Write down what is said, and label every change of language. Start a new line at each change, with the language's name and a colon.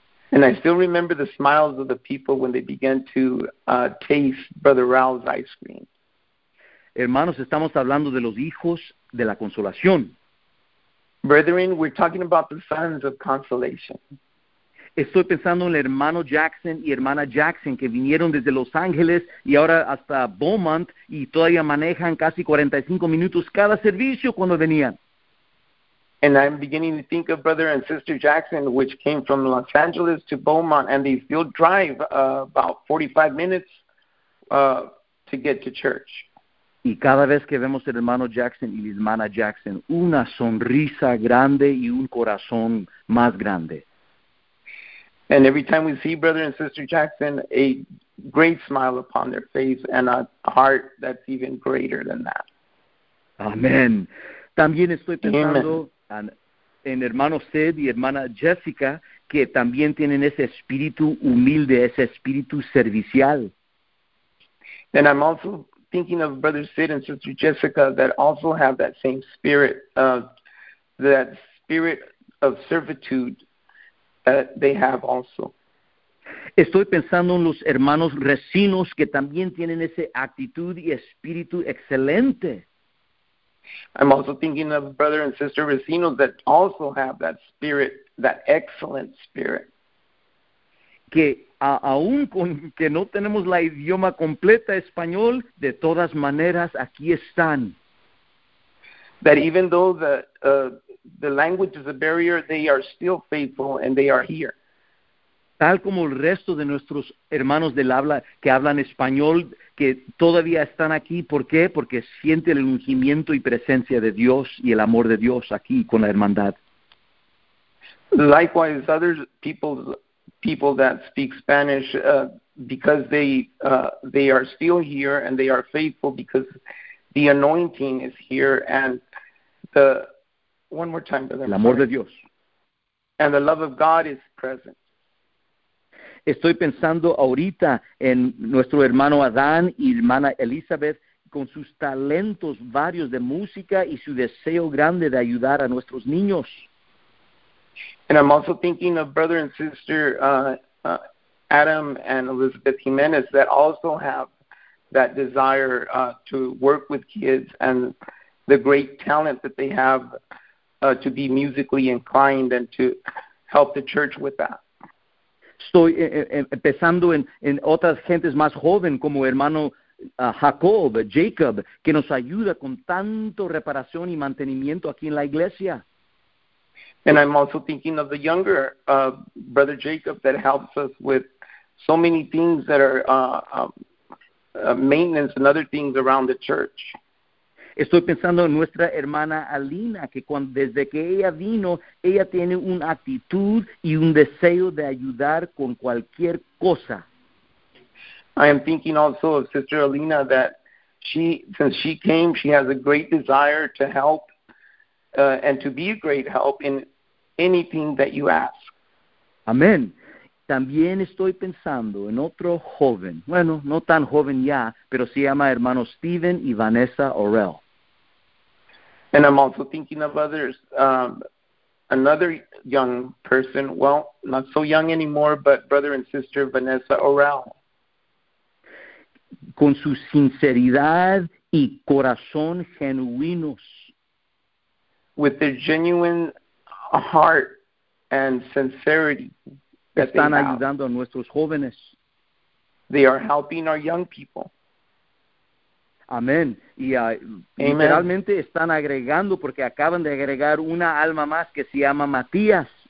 English: And I still remember the smiles of the people when they began to taste Brother Rao's ice cream.
Spanish: Hermanos, estamos hablando de los hijos de la consolación.
English: Brethren, we're talking about the sons of consolation.
Spanish: Estoy pensando en el hermano Jackson y hermana Jackson que vinieron desde Los Ángeles y ahora hasta Beaumont y todavía manejan casi 45 minutos cada servicio cuando venían.
English: And I'm beginning to think of Brother and Sister Jackson, which came from Los Angeles to Beaumont, and they still drive about 45 minutes to get to church.
Spanish: Y cada vez que vemos el hermano Jackson y la hermana Jackson, una sonrisa grande y un corazón más grande.
English: And every time we see Brother and Sister Jackson, a great smile upon their face and a heart that's even greater than that.
Spanish: Amén. También estoy pensando en hermano Sid y hermana Jessica, que también tienen ese espíritu humilde, ese espíritu servicial.
English: And I'm also thinking of Brother Sid and Sister Jessica that also have that same spirit, that spirit of servitude. They have also.
Spanish: Estoy pensando en los hermanos Recinos que también tienen esa actitud y espíritu excelente.
English: I'm also thinking of Brother and Sister Recinos that also have that spirit, that excellent spirit.
Spanish: Que aun con que no tenemos la idioma completa español, de todas maneras aquí están.
English: That even though the language is a barrier, they are still faithful and they are here.
Spanish: Tal como el resto de nuestros hermanos del habla que hablan español, que todavía están aquí. ¿Por qué? Porque sienten el ungimiento y presencia de Dios y el amor de Dios aquí con la hermandad.
English: Likewise, other people that speak Spanish, because they are still here and they are faithful because the anointing is here and the one more time, brother.
Spanish: El amor de Dios.
English: And the love of God is present.
Spanish: Estoy pensando ahorita en nuestro hermano Adán y hermana Elizabeth con sus talentos varios de música y su deseo grande de ayudar a nuestros niños.
English: And I'm also thinking of brother and sister Adam and Elizabeth Jimenez that also have that desire to work with kids and the great talent that they have to be musically inclined and to help the church with that.
Spanish: Estoy empezando en otras gentes más joven como hermano Jacob, que nos ayuda con tanto reparación y mantenimiento aquí en la iglesia.
English: And I'm also thinking of the younger brother Jacob that helps us with so many things that are maintenance and other things around the church.
Spanish: Estoy pensando en nuestra hermana Alina, que desde que ella vino, ella tiene una actitud y un deseo de ayudar con cualquier cosa.
English: I am thinking also of Sister Alina that since she came, she has a great desire to help and to be a great help in anything that you ask.
Spanish: Amén. También estoy pensando en otro joven. Bueno, no tan joven ya, pero se llama hermano Steven y Vanessa Orell.
English: And I'm also thinking of others. Another young person, well, not so young anymore, but brother and sister Vanessa Orell.
Spanish: Con su sinceridad y corazón genuinos.
English: With their genuine heart and sincerity.
Spanish: Están ayudando a nuestros jóvenes.
English: They are helping our young people.
Spanish: Amén. Y literalmente están agregando, porque acaban de agregar una alma más que se llama Matías.